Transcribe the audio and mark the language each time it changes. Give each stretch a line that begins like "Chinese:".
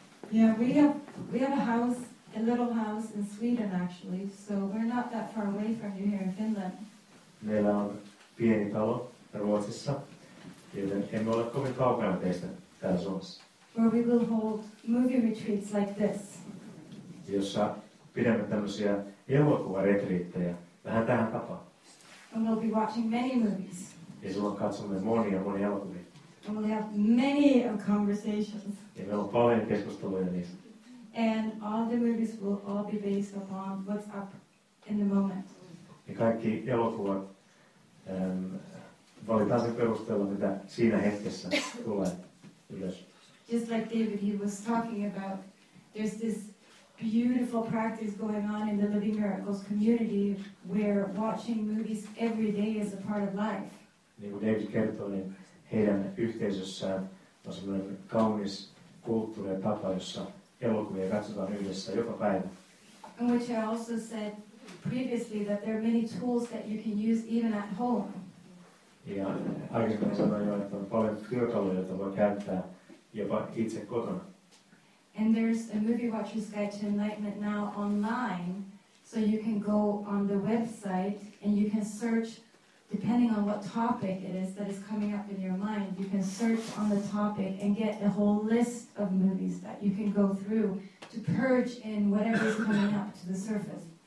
English: Yeah, we have a house, a little house in Sweden actually, so we're not that far away from you here in Finland.
Finnish: Meillä on pieni talo Ruotsissa, joten emme ole kovin kaukana teistä täällä Suomessa.
English: Where we will hold movie retreats like this.
Finnish: Jossa pidämme tämmöisiä elokuvaretriittejä vähän tähän tapaan.
English: And we'll be watching many movies.
Finnish: Ja silloin katsomme monia elokuvia.
English: And we'll have many conversations.
Finnish: Ja meillä on paljon keskusteluja niistä.
English: And all the movies will all be based upon what's up in the moment.
Finnish: Ja kaikki elokuvat valitaan se perusteella, mitä siinä hetkessä tulee ylös.
English: Just like David, he was talking about, there's this beautiful practice going on in the Living Miracles community where watching movies every day is a part of life.
Finnish: Niin kuin David kertoi, niin heidän yhteisössään on semmoinen kaunis kulttuuri ja tapa, jossa elokuvia katsotaan yhdessä joka päivä.
English: And which I also said previously, that there are many tools that you can use even at home.
Finnish: Ja aikaisemmin sanoin jo, että on paljon työkaluja, joita voi käyttää. Jopa itse kotona.
English: And there's a movie watcher's guide to enlightenment now online, so you can go on the website and you can search, depending on what topic it is that is coming up in your mind, you can search on the topic and get a whole list of movies that you can go through to purge in whatever is coming up to the surface.